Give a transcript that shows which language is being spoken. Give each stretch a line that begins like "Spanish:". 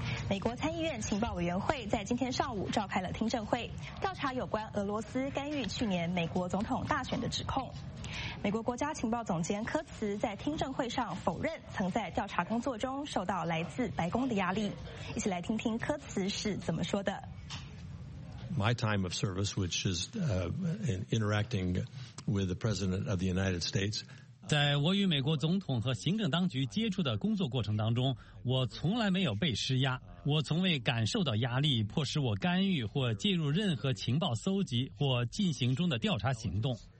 Chinese: 美国参议院情报委员会在今天上午召开了听证会，调查有关俄罗斯干预去年美国总统大选的指控。美国国家情报总监科茨在听证会上否认曾在调查工作中受到来自白宫的压力。一起来听听科茨是怎么说的。
English: My time of service, which is interacting with the President of the United States,
Chinese: 在我与美国总统和行政当局接触的工作过程当中，我从来没有被施压，我从未感受到压力迫使我干预或介入任何情报搜集或进行中的调查行动。